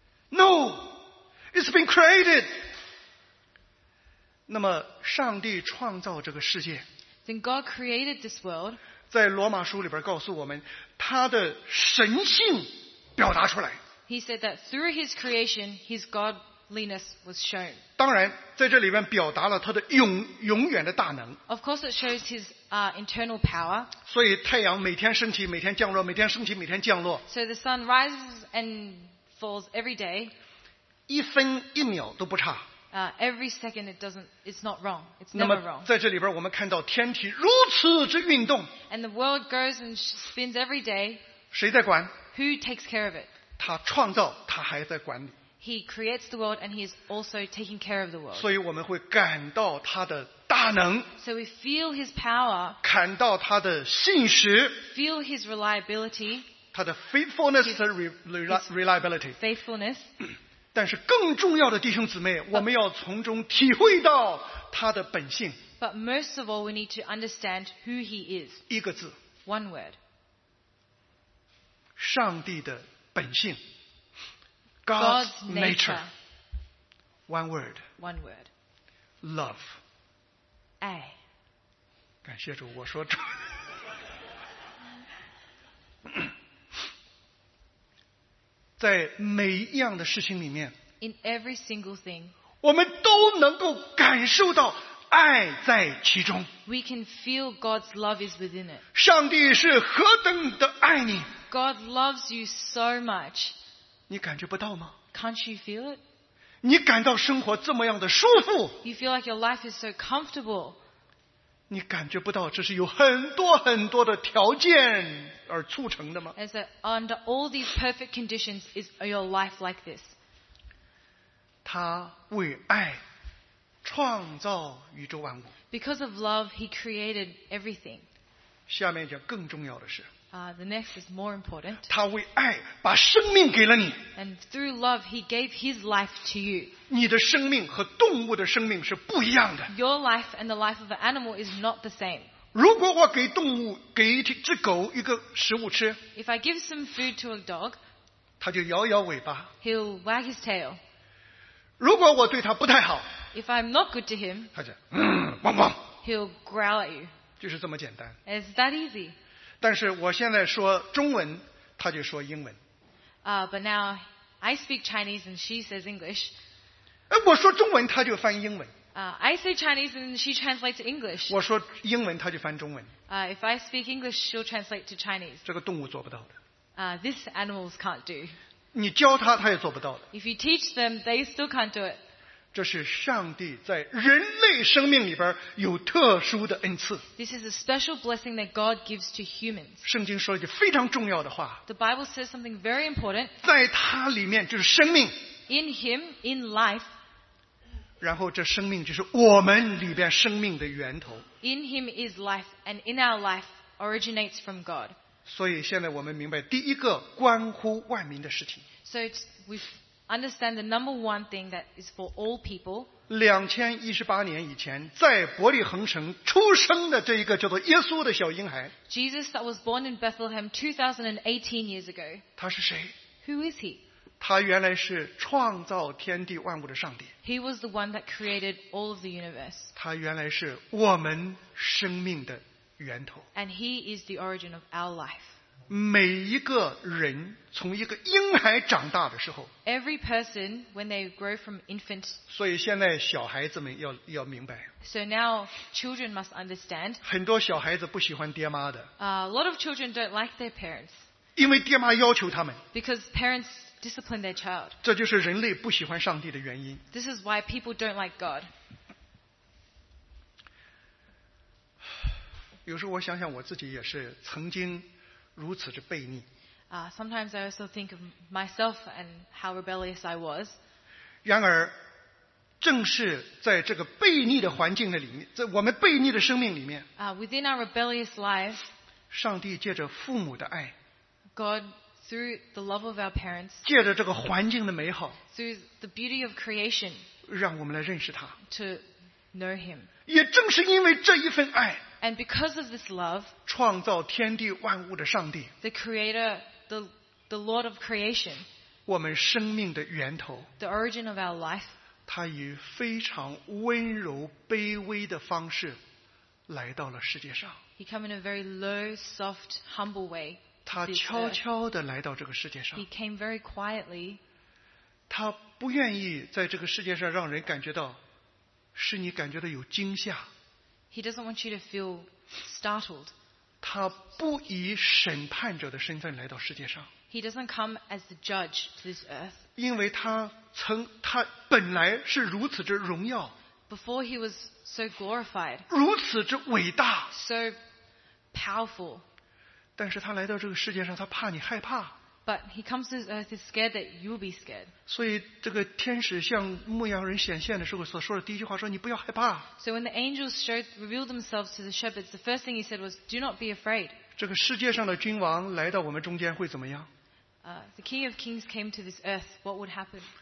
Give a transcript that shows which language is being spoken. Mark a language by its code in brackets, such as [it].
[en] No, it's been created. [zh] 那么上帝创造这个世界， [en] Then God created this world， [zh] 在罗马书里边告诉我们他的神性表达出来。 [en] He said that through his creation his godliness was shown。 [zh] 当然在这里边表达了他的 永远的大能。 [en] Of course it shows his internal power。 [zh] 所以太阳每天升起每天降落，每天升起每天降落。 [en] So the sun rises and falls every day。 [zh] 一分一秒都不差。 [en] Every second it doesn't, it's not wrong. It's never wrong. [zh] 在这里边我们看到天体如此之运动。 [en] And the world goes and spins every day. [zh] 谁在管？ [en] Who takes care of it? [zh] 他创造，他还在管理。 [en] He creates the world and he is also taking care of the world. [zh] 所以我们会感到他的大能。 [en] So we feel his power. [zh] 感到他的信实。 [en] Feel his reliability. [zh] 他的 [en] faithfulness and reliability. Faithfulness. [zh] 但是更重要的弟兄姊妹，我们要从中体会到他的本性。 [en] But most of all, we need to understand who he is. [zh] 一个字。 [en] One word. [zh] 上帝的本性。 [en] God's nature. One word. One word. Love. [zh] 爱。感谢主，我说主。在每一样的事情里面， [en] In every single thing, [zh] 我们都能够感受到爱在其中。 [en] We can feel God's love is within it. [zh] 上帝是何等的爱你。 [en] God loves you so much. [zh] 你感觉不到吗？ [en] Can't you feel it? [zh] 你感到生活这么样的舒服。 [en] You feel like your life is so comfortable. [zh] 你感觉不到这是有很多很多的条件而促成的吗？ [en] As a, under all these perfect conditions is your life like this. [zh] 他为爱创造宇宙万物。 [en] Because of love, he created everything. [zh] 下面就更重要的是， [en] the next is more important. [zh] 他为爱把生命给了你。 [en] And through love, he gave his life to you. [zh] 你的生命和动物的生命是不一样的。 [en] Your life and the life of an animal is not the same. [zh] 如果我给动物给一只狗一个食物吃， [en] If I give some food to a dog, [zh] 它就摇摇尾巴， [en] He'll wag his tail. [zh] 如果我对它不太好， [en] If I'm not good to him, [zh] 它就汪汪， [en] He'll growl at you. [zh] 就是这么简单。 [en] It's that easy. [zh] 但是我现在说中文，它就说英文。 [en] But now I speak Chinese and she says English. [zh] 我说中文，它就翻英文。 [en] I say Chinese and she translates to English. [zh] 我说英文，她就翻中文。 [en] If I speak English, she'll translate to Chinese. [zh] 这个动物做不到的。 [en] This animals can't do. [zh] 你教它，它也做不到的。 [en] If you teach them, they still can't do it. [zh] 这是上帝在人类生命里边有特殊的恩赐。 [en] This is a special blessing that God gives to humans. [zh] 圣经说了一句非常重要的话。 [en] The Bible says something very important. [zh] 在它里面就是生命。 [en] In him, in life. [zh] 然后这生命就是我们里边生命的源头。 [en] In him is life, and in our life originates from God. [zh] 所以现在我们明白第一个关乎万民的事情。 [en] So we Understand the number one thing that is for all people. [zh] 2018年以前，在伯利恒城出生的这一个叫做耶稣的小婴孩。 [en] Jesus that was born in Bethlehem 2018 years ago. [zh] 他是谁 [en] ？Who is he？ [zh] 他原来是创造天地万物的上帝。 [en] He was the one that created all of the universe. [zh] 他原来是我们生命的源头。 [en] And he is the origin of our life. [zh] 每一个人从一个婴孩长大的时候 [en] Every person, when they grow from infant, [zh] 所以现在小孩子们 要明白 [en] So now children must understand [zh] 很多小孩子不喜欢爹妈的 [en] A lot of children don't like their parents [zh] 因为爹妈要求他们 [en] Because parents discipline their child [zh] 这就是人类不喜欢上帝的原因 [en] This is why people don't like God [zh] 有时候我想想我自己也是曾经如此之悖逆。 [en] Sometimes I also think of myself and how rebellious I was. [zh] 然而，正是在这个悖逆的环境的里面，在我们悖逆的生命里面。 [en] Within our rebellious life. [zh] 上帝借着父母的爱。 [en] God through the love of our parents. [zh] 借着这个环境的美好。 [en] Through the beauty of creation. [zh] 让我们来认识他。 [en] To know him. [zh] 也正是因为这一份爱。 [en] And because of this love, [zh] 创造天地万物的上帝 [en] the creator, the Lord of creation, [zh] 我们生命的源头 [en] the origin of our life, [zh] 他以非常温柔卑微的方式来到了世界上 [en] He came in a very low, soft, humble way. [zh] 他悄悄地来到这个世界上 [en] He came very quietly. [zh] 他不愿意在这个世界上让人感觉到是你感觉到有惊吓 [en] He doesn't want you to feel startled. [zh] 他不以审判者的身份来到世界上。 [en] He doesn't come as the judge to this earth. [zh] 因为他本来是如此之荣耀。 [en] Before he was so glorified. [zh] 如此之伟大。 [en] So powerful. [zh] 但是他来到这个世界上，他怕你害怕。 [en] But he comes to this earth, he's scared that you'll be scared. [zh] 所以这个天使向牧羊人显现的时候所说的第一句话说你不要害怕。 [en] So when the angels revealed themselves to the shepherds, the first thing he said was, do not be afraid. [zh] 这个世界上的君王来到我们中间会怎么样？ [en] The king of kings came to this earth, what would happen?